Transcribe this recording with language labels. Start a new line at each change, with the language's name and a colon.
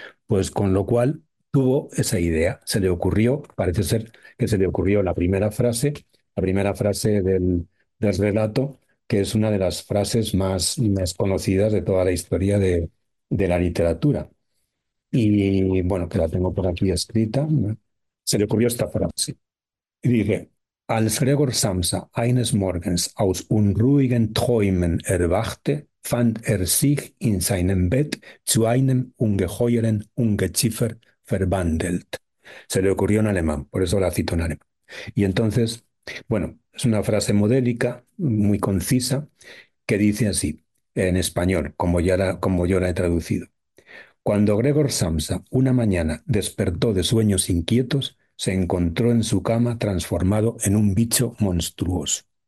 Spanish: pues con lo cual tuvo esa idea, se le ocurrió, parece ser que se le ocurrió la primera frase del relato, que es una de las frases más conocidas de toda la historia de la literatura. Y bueno, que la tengo por aquí escrita, se le ocurrió esta frase. Y dije:
German: Als Gregor Samsa eines Morgens aus unruhigen Träumen erwachte, fand sich in seinem Bett zu einem ungeheuren Ungeziefer verwandelt.
Spanish: Se le ocurrió en alemán, por eso la cito en alemán. Y entonces, bueno, es una frase modélica, muy concisa, que dice así, en español, como yo la he traducido. Cuando Gregor Samsa una mañana despertó de sueños inquietos, se encontró en su cama transformado en un bicho monstruoso.